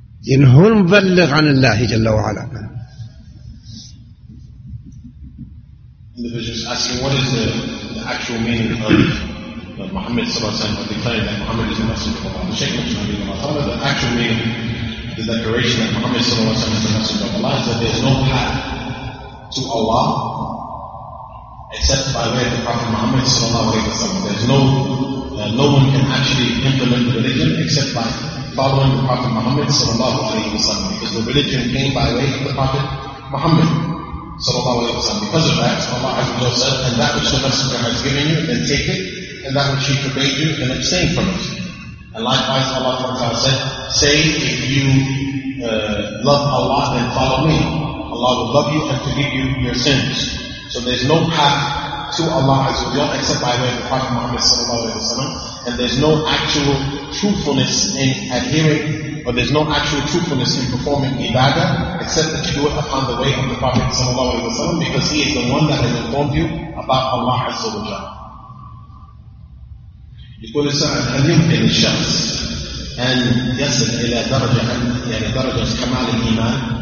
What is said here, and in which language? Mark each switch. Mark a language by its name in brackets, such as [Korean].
[Arabic] إن هو المبلغ عن الله جل وعلا. [English] Except by way of the Prophet Muhammad sallallahu alayhi wa sallam. There's no one can actually implement the religion except by following the Prophet Muhammad sallallahu alayhi wa sallam. Because the religion came by way of the Prophet Muhammad sallallahu alayhi wa sallam. Because of that, Allah Azza wa Jalla said, and that which the Messenger has given you, then take it, and that which he forbade you, then abstain from it. And likewise, Allah ta'ala said, say, if you love Allah, then follow me. Allah will love you and forgive you your sins. So there's no path to Allah Azza wa Jalla except by way of the Prophet Muhammad sallallahu alayhi wa sallam. And there's no actual truthfulness in adhering, or there's no actual truthfulness in performing ibadah except that you do it upon the way of the Prophet sallallahu alayhi wa sallam, because he is the one that has informed you about Allah Azza wa Jalla. [Arabic] يقول السعد هل يمكن الشخص أن يصل إلى درجة يعني درجة كمال الإيمان؟